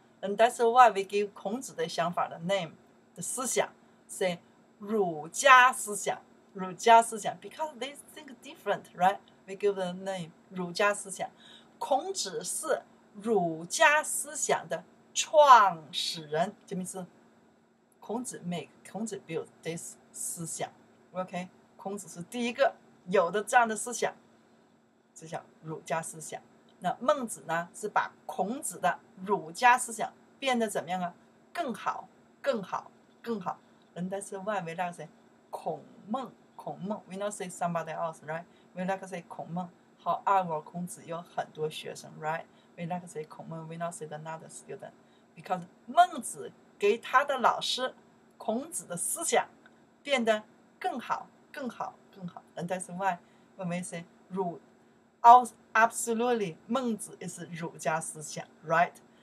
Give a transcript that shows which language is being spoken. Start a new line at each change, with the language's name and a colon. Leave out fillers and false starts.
English: And that's why we give
Chinese: 孔子的想法
English: the name, the 思想 say,
Chinese: 儒家思想，儒家思想
English: ，because they think different, right? We give the name 儒家思想。
Chinese: 孔子是儒家思想的创始人，这名字。
English: 孔子 build this 思想 ，OK?
Chinese: 孔子是第一个有的这样的思想，这叫儒家思想。那孟子呢，是把孔子的儒家思想变得怎么样啊？更好。
English: And that's why we like to say 孔孟 We not say somebody else, right? We like to say 孔孟 However,
Chinese: 孔子有很多学生
English: right? We like to say 孔孟 We not say another student Because
Chinese: 孟子给他的老师孔子的思想变得更好
English: And that's why when we say 儒 Absolutely, 孟子 is 儒家思想 right?